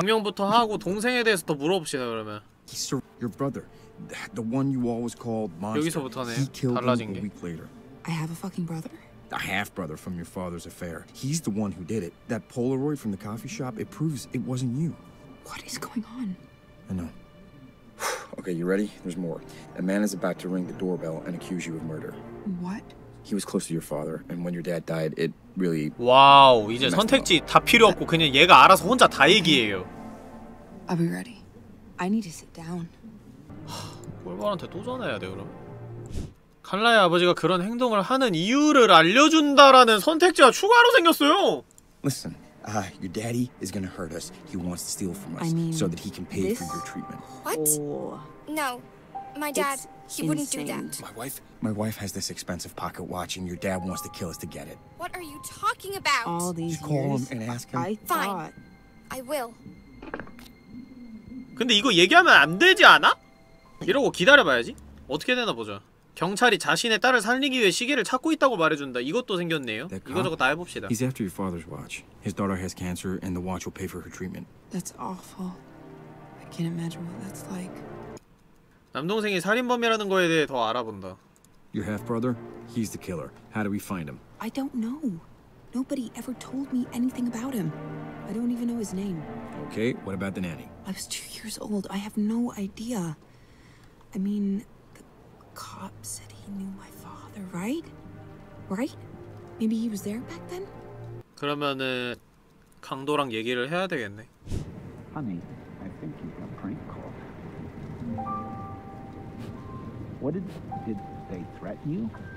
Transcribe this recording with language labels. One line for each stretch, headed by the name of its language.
Korean: 증명부터 하고 동생에 대해서 더 물어봅시다 그러면.
English: Your brother, the one you always called monster.
Korean: 여기서부터네. 달라진 게.
English: I have a fucking brother. A half brother from your father's affair. He's the one who did it. That Polaroid from the coffee shop. It proves it wasn't you. What is going on? I know. Okay, you ready? There's more. A man is about to ring the doorbell and accuse you of murder. What? He was close to your father, and when your dad died, it really...
Korean: 와우, 이제 선택지 다 필요 없고 그냥 얘가 알아서 혼자 다 얘기해요.
English: I'll be ready. I need to sit down.
Korean: 꼴바한테 또 전화해야 돼, 그럼. 칼라의 아버지가 그런 행동을 하는 이유를 알려준다라는 선택지가 추가로 생겼어요!
English: Listen, your daddy is gonna hurt us. He wants to steal from us, I mean, so that he can pay for your treatment. What? No. My dad, he wouldn't do that. My wife has this expensive pocket watch, and your dad wants to kill us to get it. What are you talking about? All these years. You call him and ask him. Fine. I will.
Korean: 근데 이거 얘기하면 안 되지 않아? 이러고 기다려봐야지. 어떻게 되나 보자. 경찰이 자신의 딸을 살리기 위해 시계를 찾고 있다고 말해준다. 이것도 생겼네요. 이거저거 다 해봅시다.
English: He's after your father's watch. His daughter has cancer, and the watch will pay for her treatment. That's awful. I can't imagine what that's like.
Korean: 남동생이 살인범이라는 거에 대해 더 알아본다.
English: Your half brother? He's the killer. How do we find him? I don't know. Nobody ever told me anything about him. I don't even know his name. Okay, what about the nanny? I was 2 years old. I have no idea. I mean, the cop said he knew my father, right? Right? Maybe he was there back then?
Korean: 그러면은 강도랑 얘기를 해야 되겠네.
English: Honey, I think you got prank called. What did they threaten you?